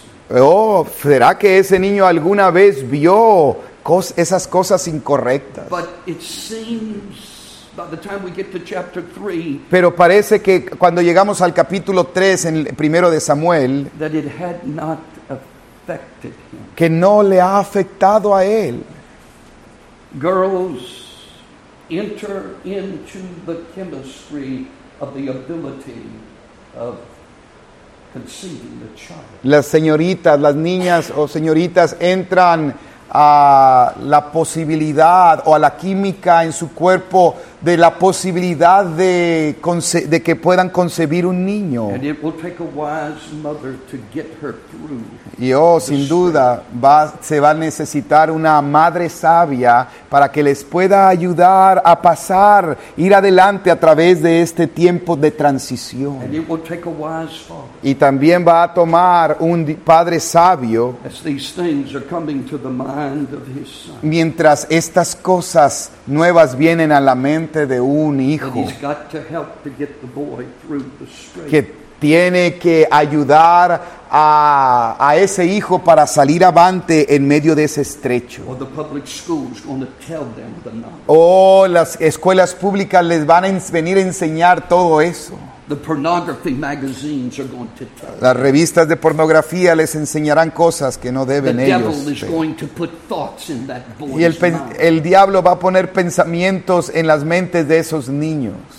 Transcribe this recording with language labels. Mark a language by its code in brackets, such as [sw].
[es] Oh, ¿será que ese niño alguna vez vio esas cosas incorrectas? [en] But it seems by the time we get to chapter 3, [es] pero parece que cuando llegamos al capítulo 3 en el primero de Samuel, [en] that it had not affected him. [es] Que no le ha afectado a él. [en] Girls enter into the chemistry of the ability of conceiving the child. [es] Las señoritas, las niñas o señoritas entran a la posibilidad o a la química en su cuerpo de la posibilidad de que puedan concebir un niño. [en] And it will take a wise mother to get her through. [es] Y oh, sin duda, se va a necesitar una madre sabia para que les pueda ayudar a pasar, ir adelante a través de este tiempo de transición. [en] And it will take a wise father. [es] Y también va a tomar un padre sabio [en] as these things are coming to the mind of his son. [es] Mientras estas cosas nuevas vienen a la mente de un hijo. [en] And he's got to help to get the boy through the strait. [es] Que tiene que ayudar a ese hijo para salir avante en medio de ese estrecho. [en] Or the public school's gonna tell them the knowledge. [es] Oh, las escuelas públicas les van a venir a enseñar todo eso. [en] The pornography magazines are going to tell. [es] Las revistas de pornografía les enseñarán cosas que no deben [en] the [es] ellos. [en] Devil is going to put thoughts in that boy's [es] y el diablo va a poner pensamientos en las mentes de esos niños.